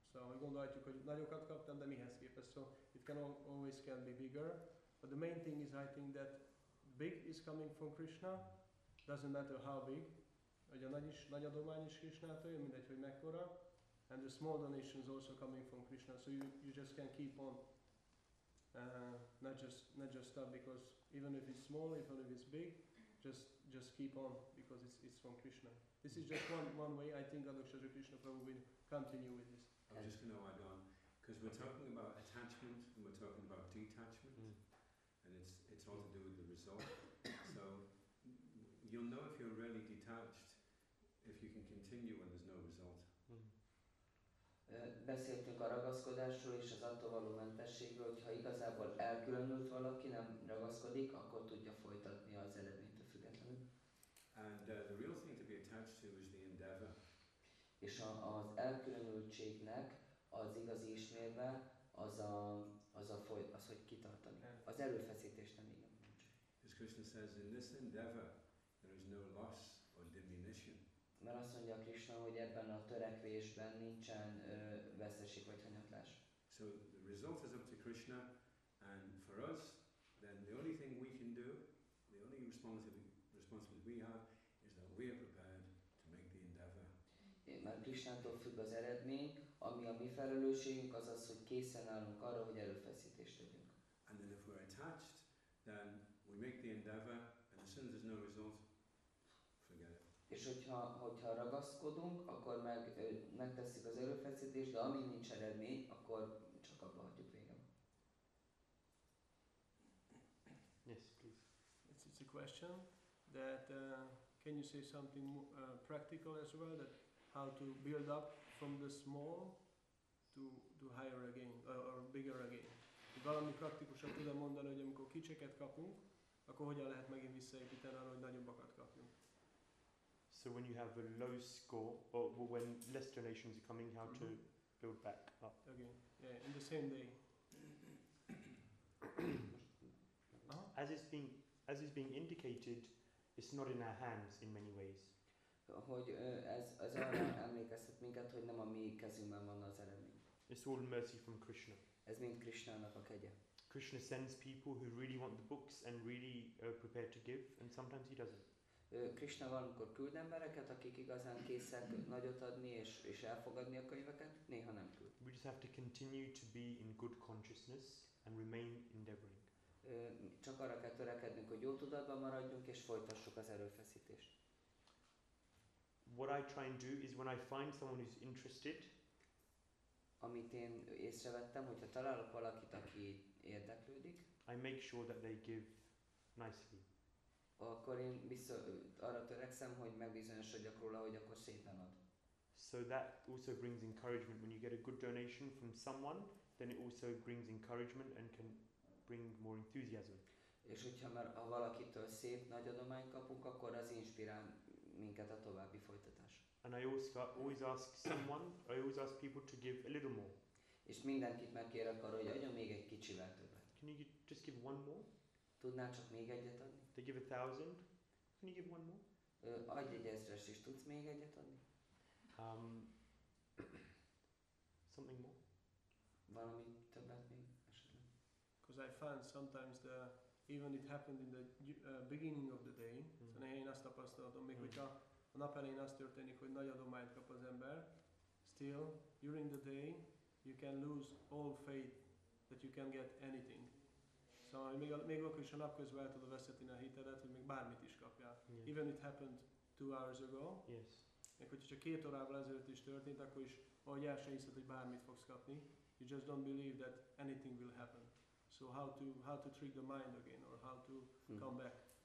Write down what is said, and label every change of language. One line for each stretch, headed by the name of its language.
Hungarian: So I gondoljuk, hogy nagyokat kaptam, de mihez képest?
English: So it can always can be bigger. But the main thing is, I think that big is coming from Krishna. Doesn't matter how big.
Hungarian: Ugye nagy adomány is Krishnától jön, mindegy, hogy mekkora.
English: And the small donations also coming from Krishna, so you just can keep on, not just stop, because even if it's small, even if it's big, just keep on, because it's from Krishna. This is just one way. I think Adokshari Krishna Prabhu will continue with this. I'm just going to add on, because we're talking about attachment and we're talking about detachment, and it's all to do with the result. So you'll know if you're really detached if you can continue when there's no result.
Hungarian: beszéltünk a ragaszkodásról és az attól való mentességről, hogy ha igazából elkülönült valaki, nem ragaszkodik, akkor tudja folytatni az eredménytől függetlenül.
English: And the real thing to be attached to is the endeavor.
Hungarian: És az elkülönültségnek az igazi ismérve az a az hogy kitartani. Az erőfeszítés nem igen.
English: As Krishna says, in this endeavor, there is no loss or diminution.
Hungarian: Mert azt mondja a Krishna, hogy ebben a törekvésben nincsen veszteség vagy hanyatlás.
English: So the result is up to Krishna, and for us, then the only thing we can do, the only responsibility we have, is that we are prepared to make the endeavor.
Hungarian: Mert Krishnától függ az eredmény, ami a mi felelősségünk az az, hogy készen állunk arra, hogy erőfeszítést tegyünk.
English: And then if we're attached, then we make the endeavor, and as soon as there's no result, forget it.
Hungarian: És hogyha ragaszkodunk, akkor meg megtesszük az erőfeszítést, de amíg nincs eredmény, akkor csak abba hagyjuk végem.
English: Yes, please. It's a question that can you say something practical as well, that how to build up from the small to higher again or bigger again.
Hungarian: Valami praktikusabb tudom mondani, hogy amikor kicseket kapunk, akkor hogyan lehet megint visszaépíteni arra, hogy nagyobbakat kapjunk.
English: So when you have a low score, or when less donations are coming, how to build back up? Again, yeah, in the same day. As is being indicated, it's not in our hands in many ways.
Hungarian: Hogy ez arra emlékeztet minket, hogy nem a mi kezünkben van az eredmény.
English: It's all mercy from Krishna.
Hungarian: Ez mind Krishnának a kegye.
English: Krishna sends people who really want the books and really are prepared to give, and sometimes he doesn't.
Hungarian: Krishna valamikor küld embereket, akik igazán készek nagyot adni és elfogadni a könyveket, néha nem küld.
English: We just have to continue to be in good consciousness and remain endeavoring.
Hungarian: Csak arra kell törekednünk, hogy jó tudatban maradjunk és folytassuk az erőfeszítést.
English: What I try and do is when I find someone who's interested,
Hungarian: amit én észrevettem, hogyha találok valakit, aki érdeklődik,
English: I make sure that they give nicely.
Hungarian: Akkor én arra törekszem, hogy megbizonyosodjak róla, hogy akkor szépen ad.
English: So that also brings encouragement. When you get a good donation from someone, then it also brings encouragement and can bring more enthusiasm.
Hungarian: És hogyha már ha valakitől szép nagy adományt kapunk, akkor az inspirál minket a további folytatás.
English: And I always ask someone, I always ask people to give a little more.
Hungarian: És mindenkit megkérek arra, hogy adjon még egy kicsivel többet.
English: Can you just give one more?
Hungarian: Tudnál csak még egyet adni?
English: They give 1,000. Can you give one more?
Hungarian: Adj egy ezres, és tudsz még egyet adni?
English: Something more?
Hungarian: Valami többet még esetleg?
English: Because I find sometimes the even it happened in the beginning of the day.
Hungarian: Szóval én azt tapasztalatom, még hogyha a nap elején azt történik, hogy nagy adományt kap az ember,
English: still, during the day, you can lose all faith that you can get anything.
Hungarian: Szóval még akkor is a nap közben el tudod veszíteni a hitedet, hogy még bármit is kapjál.
English: Yes. Even it happened 2 hours ago. Yes.
Hungarian: Még hogyha csak 2 órával ezelőtt is történt, akkor is ahogy el sem hiszed, hogy bármit fogsz kapni.
English: You just don't believe that anything will happen. So how to trick the mind again, or how to come back?